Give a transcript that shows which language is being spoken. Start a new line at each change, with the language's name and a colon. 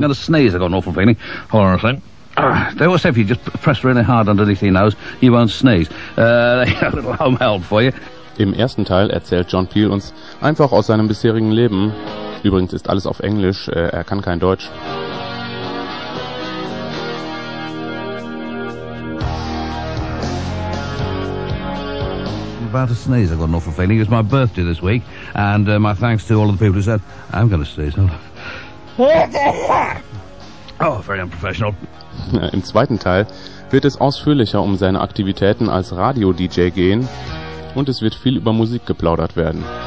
English: Now the sneeze, I got an awful feeling. Hold on a second. They always say if you just press really hard underneath your nose, you won't sneeze. A little home help for you.
German: Im ersten Teil erzählt John Peel uns einfach aus seinem bisherigen Leben. Übrigens ist alles auf Englisch, er kann kein Deutsch.
English: About to sneeze, I've got an awful feeling. It's my birthday this week, and my thanks to all of the people who said I'm going to sneeze. Hold on. Oh, very unprofessional.
German: Im zweiten Teil wird es ausführlicher um seine Aktivitäten als Radio-DJ gehen und es wird viel über Musik geplaudert werden.